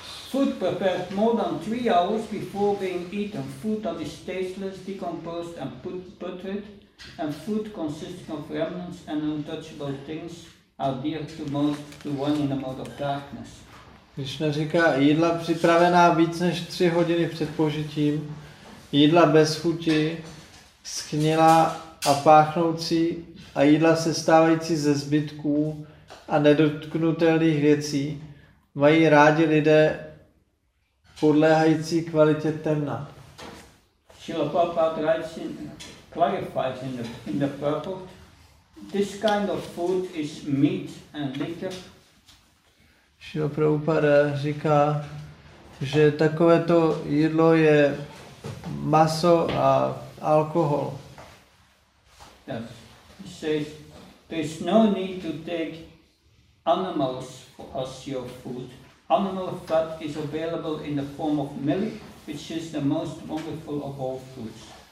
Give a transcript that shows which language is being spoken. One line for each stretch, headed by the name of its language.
English: Food prepared more than 3 hours before being eaten. Food that is tasteless, decomposed and putrid. And food consisting of remnants and untouchable things are dear to most to one in the mode of darkness.
Czech: Krishna říká, jídla připravená víc než 3 hodiny před požitím, jídla bez chuti, schnilá a páchnoucí a jídla sestávající ze zbytků a nedotknutelných věcí, mají rádi lidé podléhající kvalitě temna.
English: Srila Prabhupada clarifies in the purport, this kind of food is meat and liquor.
Czech: Srila Prabhupada říká, že takovéto jídlo je maso a alkohol.
English: Yes. He says, there is no need to take animals as your food. Animal fat is available in the form of milk, which is the most wonderful of all foods.